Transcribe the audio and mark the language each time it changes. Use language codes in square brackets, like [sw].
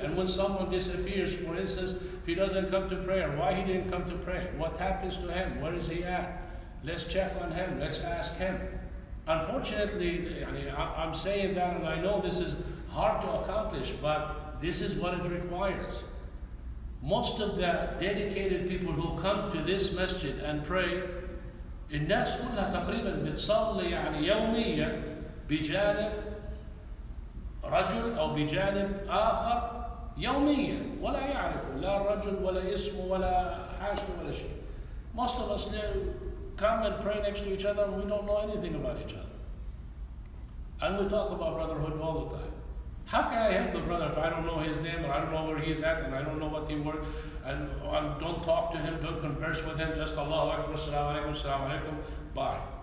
[en] And when someone disappears, for instance, if he doesn't come to prayer, why he didn't come to pray? What happens to him? Where is he at? Let's check on him. Let's ask him. Unfortunately, I'm saying that, and I know this is hard to accomplish, but this is what it requires. Most of the dedicated people who come to this masjid and pray, [ar] الناس كلها تقريبا بتصلي يعني يوميا بجانب رجل أو بجانب آخر يوميا ولا يعرف لا الرجل ولا اسمه ولا حاجة ولا شيء. [en] Most of us come and pray next to each other and we don't know anything about each other. And we talk about brotherhood all the time. How can I help the brother if I don't know his name, or I don't know where he's at, and I don't know what he works, and don't talk to him, don't converse with him, just Allahu Akbar, Assalamu Alaikum, Assalamu Alaikum, bye.